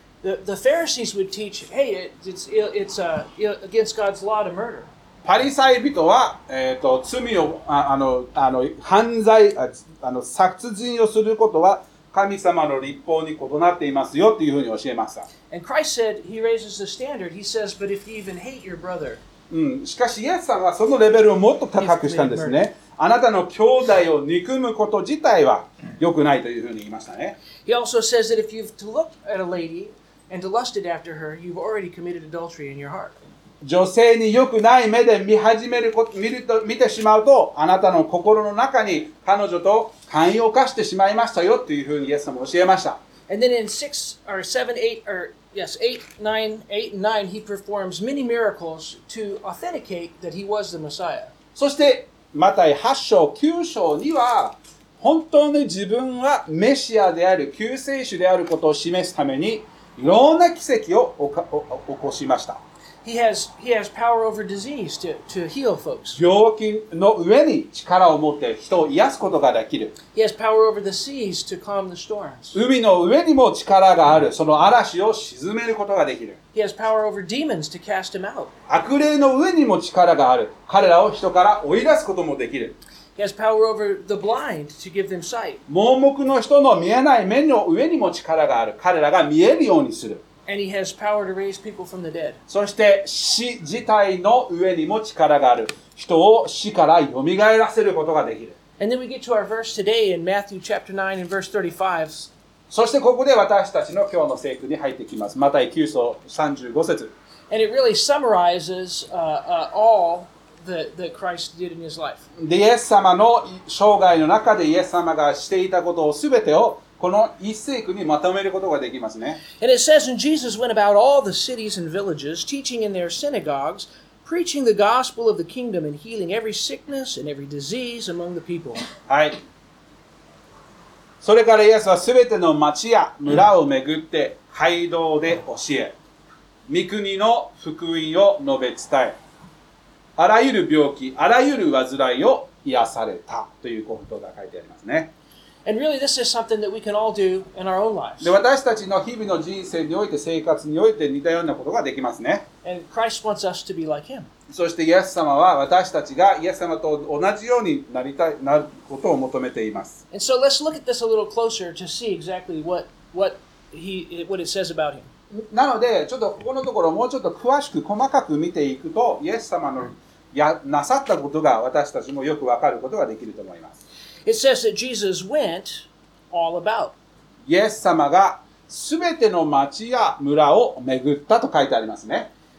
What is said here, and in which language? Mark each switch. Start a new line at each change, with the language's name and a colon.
English: The Pharisees would teach, hey, it's against God's law to murder.
Japanese: パリサイ人は、罪を、犯罪、殺人をすることは神様の律法に異なっていますよというふうに教えました。
English: And Christ said, he raises the standard. He says, but if you even hate your brother.
Japanese: しかし、イエス様はそのレベルをもっと高くしたんですね。あなたの兄弟を憎むこと自体は良くないというふうに言いましたね。
English: He also says that if you've to look at a lady,And to lusted after her, you've already committed adultery in your heart.
Japanese: 女性に良くない目で見始めること、見てしまうと、あなたの心の中に彼女と姦淫を犯してしまいましたよというふうにイエス様は教えました。
English: And then in 6 or 7, 8, or yes, 8, 9, 8 and 9, he performs many miracles to authenticate that he was the Messiah.
Japanese: そして、マタイ8章、9章には、本当に自分はメシアである、救世主であることを示すために、いろんな奇跡を起こしました。
English: He has power over disease to heal folks.
Japanese: 病気の上に力を持って人を癒すことができる。
English: He has power over the seas to calm the storms.
Japanese: 海の上にも力がある。その嵐を沈めることができる。
English: He has power over demons to cast them out.
Japanese: 悪霊の上にも力がある。彼らを人から追い出すこともできる。
English: He has power over the blind to give them sight.
Japanese: 盲目の人の見えない目の上にも力がある。彼らが見えるようにする。
English: And he has power to raise people from the dead.
Japanese: そして死自体の上にも力がある。人を死から蘇らせることができる。
English: And then we get to our verse today in Matthew chapter 9 and verse 35.
Japanese: そしてここで私たちの今日の聖句に入ってきます。マタイ9章35節。
English: And it really summarizes all... That Christ did in his life.
Japanese: イエス様の生涯の中でイエス様がしていたことをすべてをこの一節にまとめることができますね。
English: And it says, and Jesus went about all the cities and villages, teaching in their synagogues, preaching the gospel of the kingdom and healing every sickness and every disease among the people.
Japanese: はい。それからイエスはすべての町や村をめぐって街道で教え、御国の福音を述べ伝え、あらゆる病気、あらゆる患いを癒されたということが書いてありますね。
English: And really, this is something that we can all do in our own lives.
Japanese: で、私たちの日々の人生において、生活において似たようなことができますね。
English: And Christ wants us to be like him.
Japanese: そして、イエス様は私たちがイエス様と同じようになりたい、なることを求めています。
English: And so let's look at this a little closer to see exactly what it says about him.
Japanese: なので、ちょっとここのところもうちょっと詳しく細かく見ていくと、イエス様のやなさったことが私たちもよくわかることができると思います。
English: It says that Jesus went all about.
Japanese: イエス様がすべての町や村を巡ったと書いてありますね。